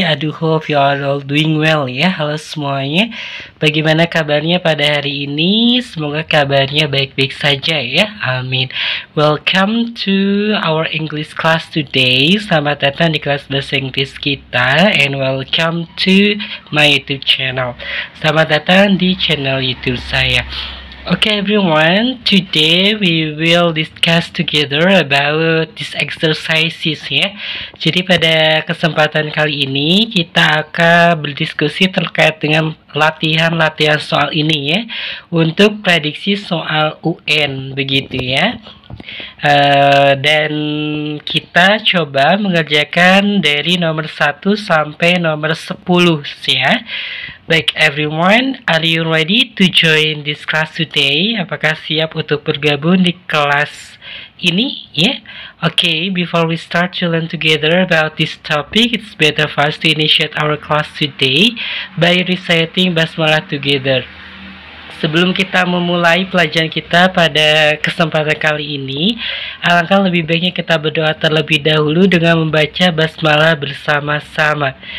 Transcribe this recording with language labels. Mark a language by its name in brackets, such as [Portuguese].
[English] I do hope you are all doing well ya. [Indonesian] Halo semuanya, bagaimana kabarnya pada hari ini? Semoga kabarnya baik-baik saja ya. Amin. [English] Welcome to our English class today. [Indonesian] Selamat datang di kelas bahasa Inggris kita. [English] And welcome to my YouTube channel. [Indonesian] Selamat datang di channel YouTube saya. [English] Okay everyone, today we will discuss together about these exercises ya. [Indonesian] Jadi pada kesempatan kali ini kita akan berdiskusi terkait dengan latihan-latihan soal ini ya, untuk prediksi soal UN begitu ya. Dan kita coba mengerjakan dari nomor 1 sampai nomor 10 ya. [English] Baik everyone, are you ready to join this class today? [Indonesian] Apakah siap untuk bergabung di kelas ini? [English] Yeah. Okay, before we start to learn together about this topic, it's better for us to initiate our class today by reciting basmalah together. [Indonesian] Sebelum kita memulai pelajaran kita pada kesempatan kali ini, alangkah lebih baiknya kita berdoa terlebih dahulu dengan membaca basmalah bersama-sama.